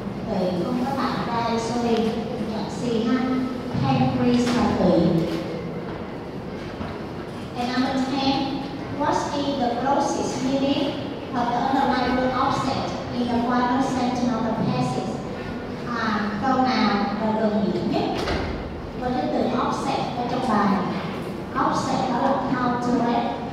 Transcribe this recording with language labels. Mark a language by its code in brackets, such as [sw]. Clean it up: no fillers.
[vi] Tụy không có tạo ra insulin. Chọn C ha. Pancreas là tụy. [en] And number 10, what is the closest meaning of the underlying offset in the final sentence of the passage? [vi] Câu nào là gần nghĩa nhất với cái từ offset ở trong bài? Offset đó là counteract.